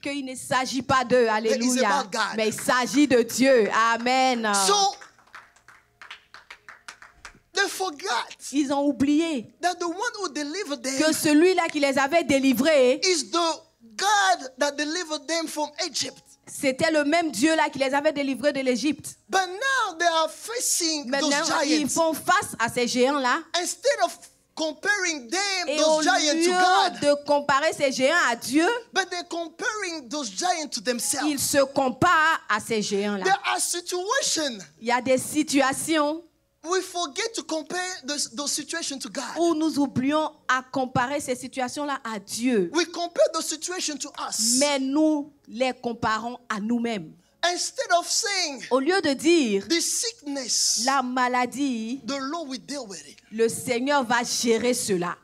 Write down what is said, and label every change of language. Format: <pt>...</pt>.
<fr>Qu'il ne s'agit pas d'eux. Alléluia.</fr> <en>But it's about God.</en> <fr>Mais il s'agit de Dieu. Amen.</fr> <en>So they forgot.</en> <fr>Ils ont oublié</fr> <en>that the one who delivered them</en> <fr>que celui-là qui les avait délivrés</fr> <en>is the God that delivered them from Egypt.</en> <fr>C'était le même Dieu-là qui les avait délivrés de l'Égypte.</fr> <en>But now they are facing</en> <fr>maintenant,</fr> <en>those giants.</en> <fr>Ils font face à ces géants-là.</fr> <en>Instead of comparing them,</en> <fr>et</fr> <en>those giants, to God,</en> <fr>de comparer ces géants à Dieu,</fr> <en>but they're comparing those giants to themselves.</en> <fr>Ils se comparent à ces géants-là.</fr> <en>There are situations.</en> <fr>Il y a des situations.</fr> <en>We forget to compare those situations to God.</en> <fr>Où nous oublions à comparer ces situations-là à Dieu.</fr> <en>We compare those situations to us.</en> <fr>Mais nous les comparons à nous-mêmes.</fr> <en>Instead of saying,</en> <fr>au lieu de dire,</fr> <en>the sickness,</en> <fr>la maladie,</fr> <en>the Lord will deal with it.</en> <fr>Le Seigneur va gérer cela.</fr>